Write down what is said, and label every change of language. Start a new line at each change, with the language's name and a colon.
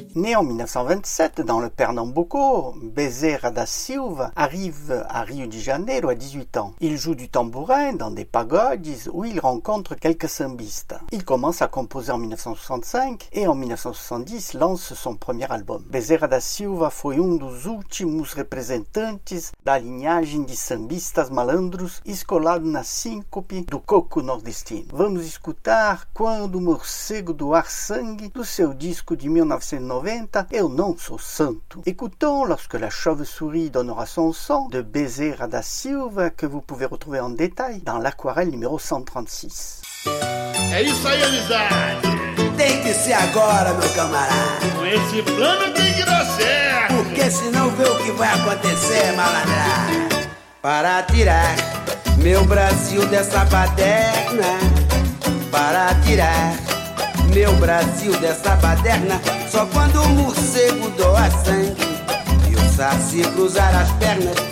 French: En 1927, dans le Pernambuco, Bezerra da Silva arrive à Rio de Janeiro à 18 ans. Il joue du tambourin dans des pagodes où il rencontre quelques sambistes. Il commence à composer en 1965 et en 1970 lance son premier album.
Portuguese: Bezerra da Silva foi dos últimos representantes da linhagem de sambistas malandros escolado na síncope do coco nordestino. Vamos escutar Quando o Morcego Doar Sangue, do seu disco de 1990, Eu Não Sou Santo.
French: Écoutons Lorsque la chauve-souris donnera son sang, de Bezerra da Silva, que vous pouvez retrouver en détail dans l'aquarelle numéro 136.
Portuguese: É isso aí, amizade! Tem que ser agora, meu camarada! Com esse plano tem que dar certo! Porque senão vê o que vai acontecer, malandra! Para tirar meu Brasil dessa baderna, para tirar meu Brasil dessa baderna, só quando o morcego doa sangue e o saci cruzar as pernas.